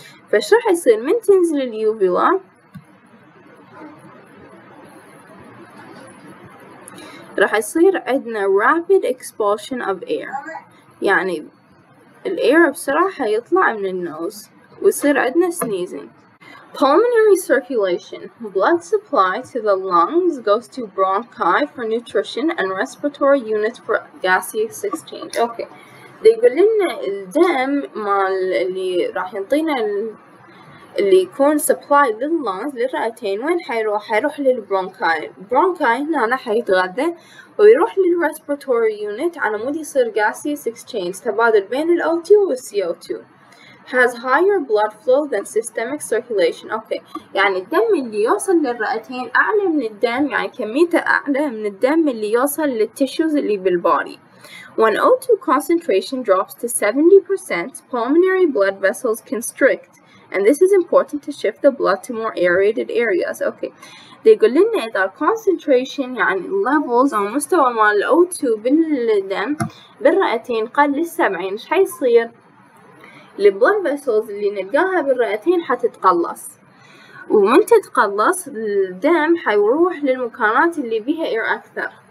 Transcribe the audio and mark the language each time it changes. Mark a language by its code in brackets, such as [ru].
[ar] فايش راح يصير من تنزل اليوفيلا؟ راح يصير عندنا [en] rapid expulsion of air, [ar] يعني الاير بصراحة يطلع من النوز، ويصير عندنا سنيزنج. [en] Pulmonary circulation. Blood supply to the lungs goes to bronchi for nutrition and respiratory units for gaseous exchange. Okay. [ar] They يقول لنا الدم مال اللي راح ينطينا اللي يكون supply لللونز للرئتين وين حيروح؟ حيروح للبرونكاي. برونكاي هنا أنا حيتغذى ويروح للrespiratory unit على مود يصير gaseous exchange، تبادل بين الـ O2 والـ CO2. [en] Has higher blood flow than systemic circulation. Okay. [ar] يعني الدم اللي يوصل للرئتين أعلى من الدم، يعني كميته أعلى من الدم اللي يوصل للتيشوز اللي بالبادي. [en] When O2 concentration drops to 70%, pulmonary blood vessels constrict, and this is important to shift the blood to more aerated areas. Okay. [ar] يقول لنا إذا concentration يعني levels أو مستوى مال الـ O2 بالدم بالرئتين قل للـ70 إيش حيصير؟ الـ blood vessels اللي نلقاها بالرئتين حتتقلص، ومن تتقلص الدم حيروح للمكانات اللي بيها air أكثر.